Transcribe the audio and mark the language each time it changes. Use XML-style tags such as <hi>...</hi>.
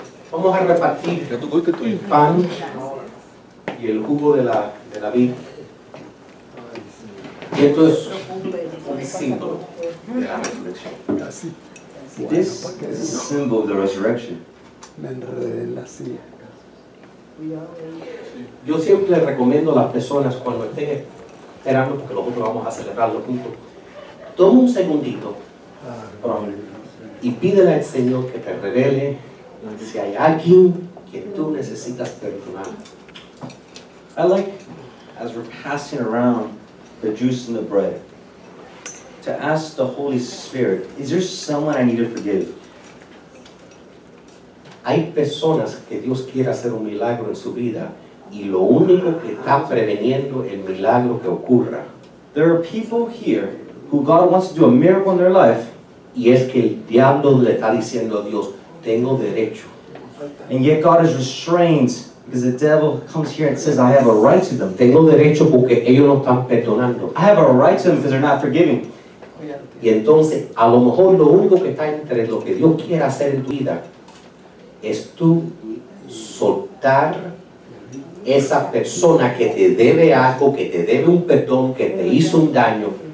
<es>Vamos a repartir el pan y el jugo de la vid. Y esto es un símbolo de la resurrección.</es> <en>This is a symbol of the resurrection.</en> <es>Me enredé en la silla. Yo siempre recomiendo a las personas cuando estén esperando, porque nosotros vamos a celebrarlo juntos, toma un segundito y pídele al Señor que te revele si hay alguien que tú necesitas perdonar.</es> <en>I like, as we're passing around the juice and the bread, to ask the Holy Spirit, is there someone I need to forgive?</en> <es>Hay personas que Dios quiere hacer un milagro en su vida y lo único que está preveniendo el milagro que ocurra.</es> <en>There are people here who God wants to do a miracle in their life.</en> <es>Y es que el diablo le está diciendo a Dios, tengo derecho.</es> <en>And yet God is restrained because the devil comes here and says, I have a right to them.</en> <es>Tengo derecho porque ellos no están perdonando.</es> <en>I have a right to them because they're not forgiving.</en> <es>Y entonces, a lo mejor lo único que está entre lo que Dios quiere hacer en tu vida es tú soltar esa persona que te debe algo, que te debe un perdón, que te hizo un daño.</es>